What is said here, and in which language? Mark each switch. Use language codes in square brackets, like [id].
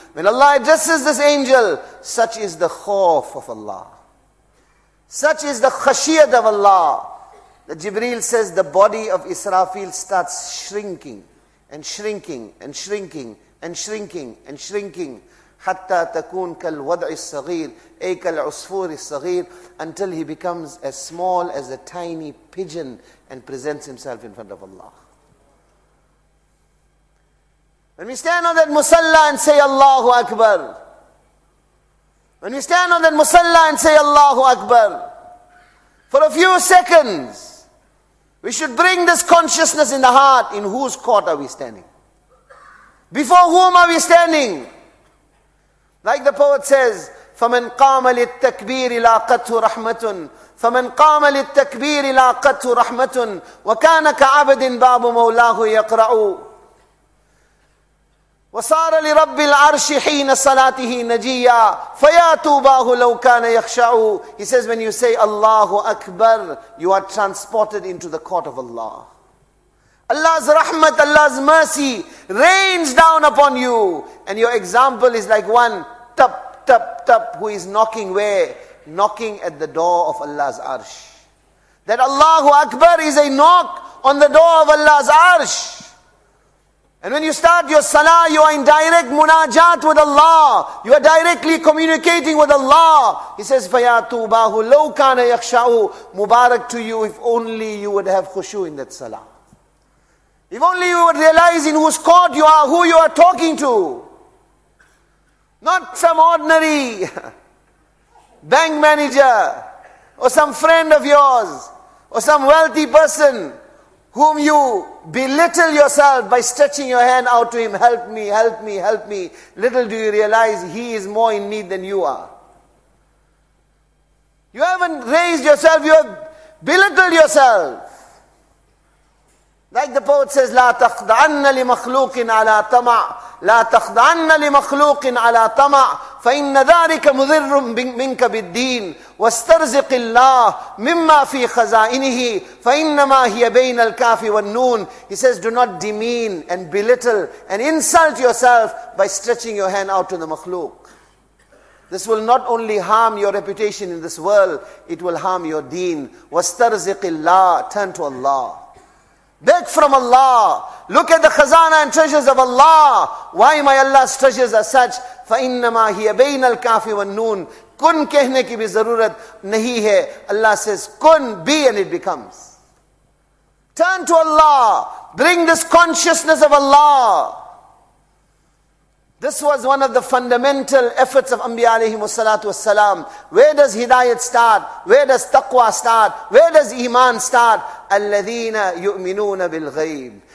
[en] When Allah addresses this angel, such is the khawf of Allah. Such is the khashiyat of Allah. That Jibreel says, the body of Israfil starts shrinking and shrinking and shrinking and shrinking and shrinking. [ar] حتى تكون كالوضع الصغير أي كالعصفور الصغير. [en] Until he becomes as small as a tiny pigeon and presents himself in front of Allah. When we stand on that musalla and say Allahu Akbar, when we stand on that musalla and say Allahu Akbar, for a few seconds, we should bring this consciousness in the heart, in whose court are we standing? Before whom are we standing? Like the poet says, [ar] فَمَنْ قَامَ لِلْتَكْبِيرِ لَاقَتْهُ رَحْمَةٌ فَمَنْ قَامَ لِلْتَكْبِيرِ لَاقَتْهُ رَحْمَةٌ وَكَانَ كَعَبَدٍ بَابُ مَوْلَاهُ يَقْرَعُ وَصَارَ لِرَبِّ الْعَرْشِ حِينَ صَلَاتِهِ نَجِيًّا فَيَا تُوبَاهُ لَوْ كَانَ يَخْشَعُ. [en] He says, when you say Allahu Akbar, you are transported into the court of Allah. Allah's rahmat, Allah's mercy rains down upon you. And your example is like one tap, tap, tap, who is knocking where? Knocking at the door of Allah's arsh. That Allahu Akbar is a knock on the door of Allah's arsh. And when you start your salah, you are in direct munajat with Allah. You are directly communicating with Allah. He says, [ar] فَيَا تُوبَاهُ لَوْ كَانَ يَخْشَعُ. [en] Mubarak to you, if only you would have khushu in that salah. If only you would realize in whose court you are, who you are talking to. Not some ordinary bank manager or some friend of yours or some wealthy person whom you belittle yourself by stretching your hand out to him, help me, help me, help me. Little do you realize he is more in need than you are. You haven't raised yourself, you have belittled yourself. Like the poet says, [ar] لا تخضعن لمخلوق على طمع. لا تخضعن لمخلوق على طمع. فإن ذلك مضر منك بالدين واسترزق الله مما في خزائنه فإنما هي بين الكاف والنون. [en] He says, do not demean and belittle and insult yourself by stretching your hand out to the makhluk. This will not only harm your reputation in this world, it will harm your deen. [ar] واسترزق الله. [en] Turn to Allah. Beg from Allah. Look at the khazana and treasures of Allah. Why my Allah's treasures are such? [ar] فَإِنَّمَا هِيَ بَيْنَ الْكَافِ وَالنُّونَ. [ur] كُن کہنے کی بھی ضرورت نہیں ہے. [en] Allah says, kun, be, and it becomes. Turn to Allah. Bring this consciousness of Allah. This was one of the fundamental efforts of Anbiya alayhim wassalatu wassalam. Where does hidayat start? Where does taqwa start? Where does iman start? [ar] الَّذِينَ يُؤْمِنُونَ بِالْغَيْبِ.